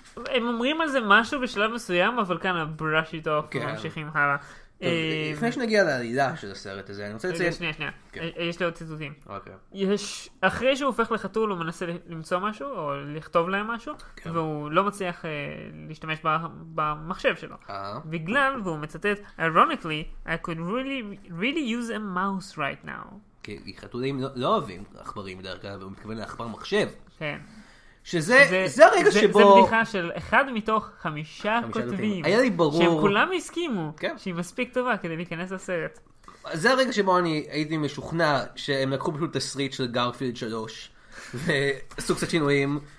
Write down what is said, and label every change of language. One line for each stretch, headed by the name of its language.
Hebrew: הם אומרים על זה משהו בשלב מסוים, אבל כאן הברש איתו ממשיכים הלאה. לפני שנגיע לעלילה של הסרט הזה, אני רוצה לציין... שנייה. יש לי עוד ציטוטים. אחרי שהוא הופך לחתול, הוא מנסה למצוא משהו, או לכתוב להם משהו, והוא לא מצליח להשתמש במחשב שלו. בגלל, והוא מצטט,
English: ironically, I could really use a mouse right now.
Hebrew: כי חתולים לא אוהבים עכברים בדרך כלל, והוא מתכוון לעכבר מחשב. כן. שזה זה הרגע שבו... זה בדיחה של אחד מתוך חמישה כותבים. היה לי ברור. שהם כולם הסכימו. כן. שהיא מספיק טובה כדי להיכנס לסרט. זה הרגע שבו אני הייתי משוכנע שהם לקחו פשוט תסריט של גרפילד 3 ועשו קצת שינויים.